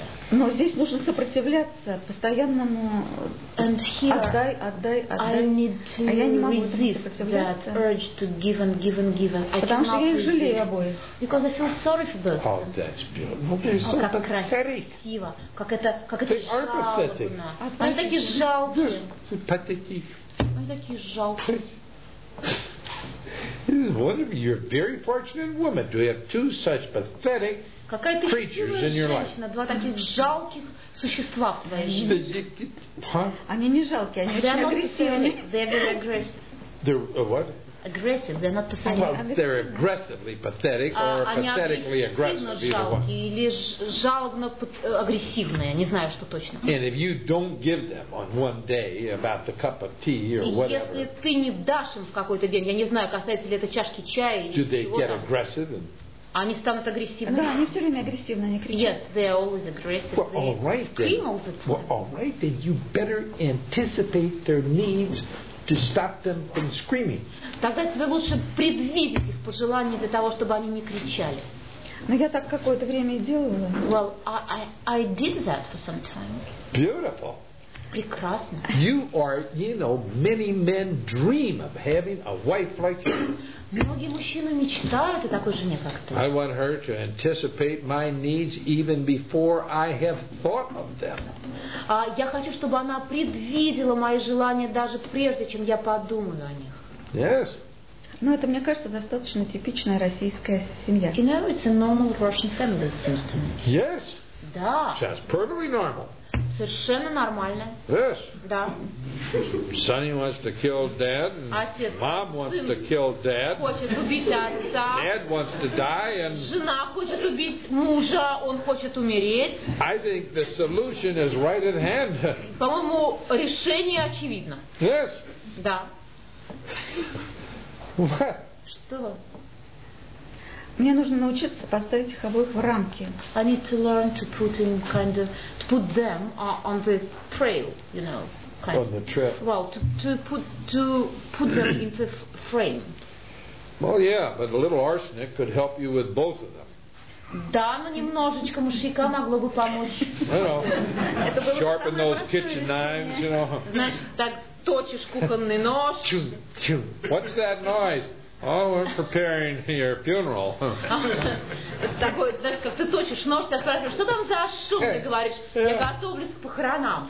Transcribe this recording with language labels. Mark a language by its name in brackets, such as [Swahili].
[Russian] Но здесь нужно сопротивляться постоянному отдай. [English] I need to [Russian] а я не могу сопротивляться. [English] That urge to give and give and give. [Russian] Потому что я их жалею обоих. [English] Oh, that's beautiful. Oh, that's so [Russian] как красиво. Как это жалобно. Они такие жалкие. Они такие жалкие. [English] You're a very fortunate woman. Do you have two such pathetic creatures in your life? [Russian] Два таких жалких существа в твоей жизни. Они не жалкие, они очень агрессивные. [English] They're very aggressive. They're what? Aggressive. They're not pathetic. Well, they're aggressively pathetic or pathetically aggressive. [Russian] Они агрессивно жалкие или жалобно агрессивные. Не знаю, что точно. [English] And if you don't give them on one day about the cup of tea or whatever. [Russian] Если ты не дашь им в какой-то день, я не знаю, касается ли это чашки чая или чего-то. [English] Do they get aggressive? [Russian] Они станут агрессивными. Да, они все время агрессивные, они кричат. [English] Yes, they are always aggressive. Well, all right, scream all the time. Well, all right, then you better anticipate their needs. To stop them from screaming. [Russian] Тогда тебе лучше предвидеть их пожелания для того, чтобы они не кричали. Но я так какое-то время и делала. [English] Well, I did that for some time. Beautiful. [Russian] Прекрасно. [English] You are, you know, many men dream of having a wife like you. [Russian] Многие мужчины мечтают о такой жене, как ты. [English] I want her to anticipate my needs even before I have thought of them. [Russian] Я хочу, чтобы она предвидела мои желания даже прежде, чем я подумаю о них. [English] Yes. [Russian] Но это, мне кажется, достаточно типичная российская семья. [English] You know, it's a normal Russian family, it seems to me. Yes. [Russian] Да. [English] That's perfectly normal. [Russian] Совершенно нормально. [English] Yes. [Russian] Да. [English] Sonny wants to kill dad. [Russian] Отец. [English] Mom wants to kill dad. [Russian] Хочет убить отца. [English] Dad wants to die and. [Russian] Жена хочет убить мужа, он хочет умереть. [English] I think the solution is right at hand. [Russian] По-моему, решение очевидно. [English] Yes. [Russian] Да. [English] What? [Russian] Что? Мне нужно научиться поставить их обоих в рамки. [English] I need to learn to put in kind of to put them on the trail, you know, kind on the trail. Well, to put them into frame. Well, yeah, but a little arsenic could help you with both of them. [Russian] Да, но немножечко мышьяка могло бы помочь. [English] Sharpen those kitchen knives, you know. [Russian] Значит, так точишь кухонный нож. [English] What's that noise? Oh, we're preparing your funeral. [Russian] Такой, знаешь, как ты точишь нож, ты спрашиваешь, что там за шум? Ты говоришь, я готовлюсь к похоронам.